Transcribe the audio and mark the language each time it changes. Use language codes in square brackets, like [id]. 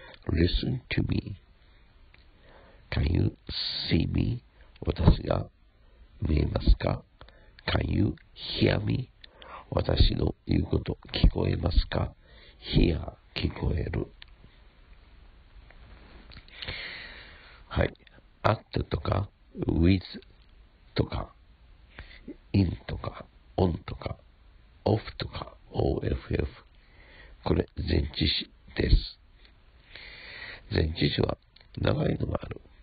[en] Listen to meCan you see me? [ja] 私が見えますか? [en] Can you hear me? [ja] 私の言うこと聞こえますか? Hear 聞こえる。はい。 At とか With とか In とか On とか Off とか OFF。これ前置詞です。前置詞は長いのがある。